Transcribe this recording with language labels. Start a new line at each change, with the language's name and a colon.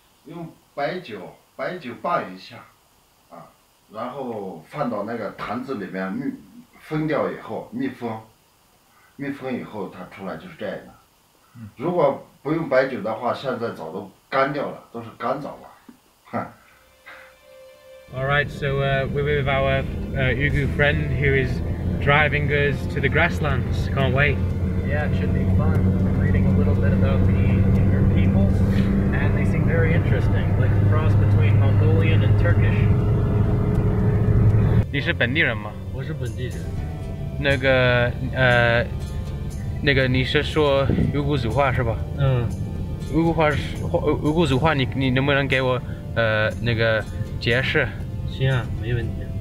Chinese: 用白酒拌一下。然后放到那个坛子里面密封掉以后，密封以后它出来就是这样的。如果不用白酒的话，现在早都干掉了，都是干枣了。
English: All right, so we're with our Yugu friend who is driving us to the grasslands. Can't wait. Yeah, it should be fun. I'm reading a little bit about the Yugu people, and they seem very interesting, like a cross between Mongolian and Turkish.
Chinese: 你是本地人吗？我是本地人。那个你是说乌古族话是吧？嗯。乌古族话你能不能给我那个解释？行啊，没问题。